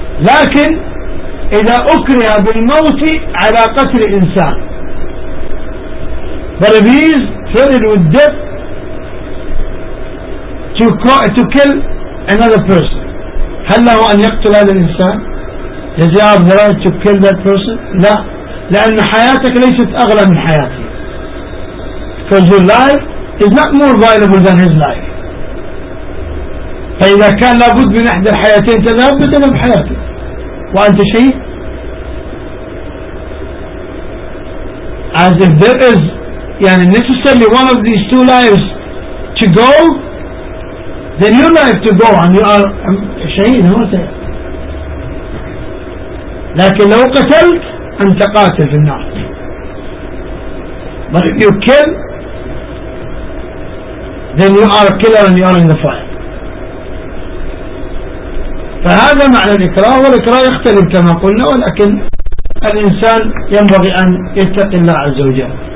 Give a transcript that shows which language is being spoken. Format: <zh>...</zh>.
<ar>لكن إذا أكره بالموت على قتل إنسان,</ar> <en>but if he is threatened with death to kill another person,</en> <ar>هل له أن يقتل هذا الإنسان؟</ar> <en>Does he have the right to kill that person?</en> <ar>لا, لأن حياتك ليست أغلى من حياتي.</ar> <en>Because your life is not more valuable than his life.</en> <ar>فإذا كان لابد من إحدى الحياتين تذهب, بدلا بحياتي وأنت شيء.</ar> <en>As if there is</en> <ar>يعني</ar> <en>necessarily one of these two lives to go, then your life to go and you are شهيد.</en> <ar>لكن لو قتلت أنت قاتل في النار.</ar> <en>But if you kill, then you are a killer and you are in the fire.</en> <ar>فهذا معنى الإكراه, والإكراه يختلف كما قلنا, ولكن الإنسان ينبغي أن يتقي الله عز وجل.</ar>